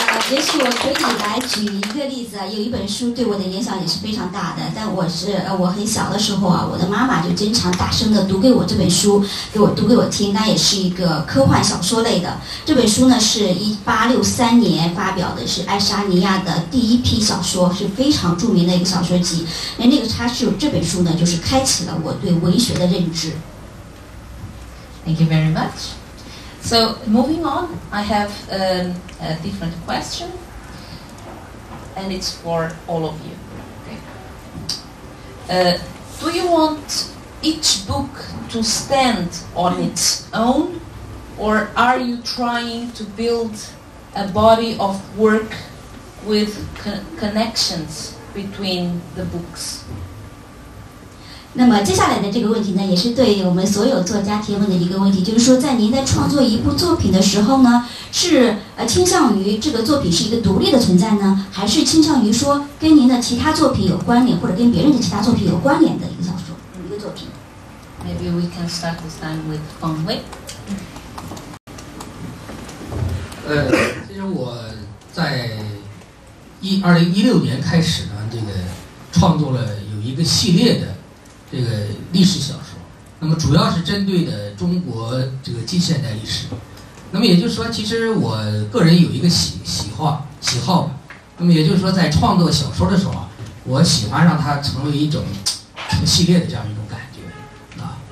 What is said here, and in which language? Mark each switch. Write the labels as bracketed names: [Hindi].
[Chinese] 也许我可以来举一个例子，有一本书对我的影响也是非常大的，但我很小的时候啊，我的妈妈就经常大声的读给我这本书，给我读给我听，那也是一个科幻小说类的。这本书呢是1863年发表的，是爱沙尼亚的第一批小说，是非常著名的一个小说集。这本书呢就是开启了我对文学的认知。 [English] Thank you very much. So, moving on, I have a different question, and it's for all of you. Okay. Do you want each book to stand on its own, or are you trying to build a body of work with connections between the books. [Chinese] 那么接下来的这个问题呢，也是对我们所有作家提问的一个问题，就是说，在您在创作一部作品的时候呢，是倾向于这个作品是一个独立的存在呢，还是倾向于说跟您的其他作品有关联，或者跟别人的其他作品有关联的一个小说，一个作品 [English] ？Maybe we can start this time with Fang Wei. [Chinese] 其实我在2016年开始呢，这个创作了有一个系列的。这个历史小说，那么主要是针对的中国这个近现代历史，那么也就是说其实我个人有一个喜好，那么也就是说在创作小说的时候啊，我喜欢让它成为一种成系列的这样一种感觉啊。